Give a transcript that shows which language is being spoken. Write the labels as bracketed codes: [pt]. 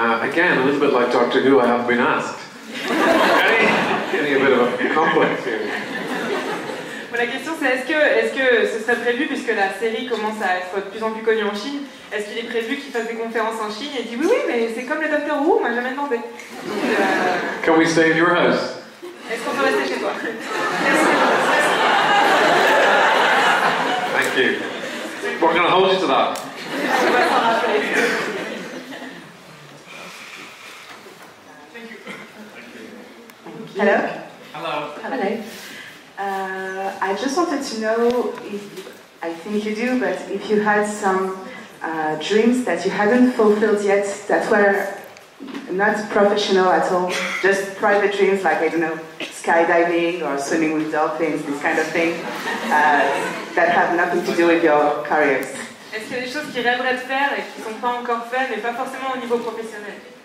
[en] again, a little bit like Doctor Who, I haven't been asked. Getting a bit of a complex here. [fr] Bon, la question c'est, est-ce que ce serait prévu, puisque la série commence à être de plus en plus connue en Chine, est-ce qu'il est prévu qu'il fasse des conférences en Chine? Et il dit oui, mais c'est comme le Doctor Who, moi j'ai jamais demandé. [en] Can we stay in your house? [fr] Est-ce qu'on peut rester chez toi? [en] Thank you. We're going to hold you to that. Hello. Hello. I just wanted to know if, I think you do, but if you had some dreams that you haven't fulfilled yet that were not professional at all, just private dreams like, I don't know, skydiving or swimming with dolphins, this kind of thing. That have nothing to do with your careers. [fr] Est-ce qu'il y a des choses qu'ils rêveraient de faire et qui ne sont pas encore faites, mais pas forcément au niveau professionnel?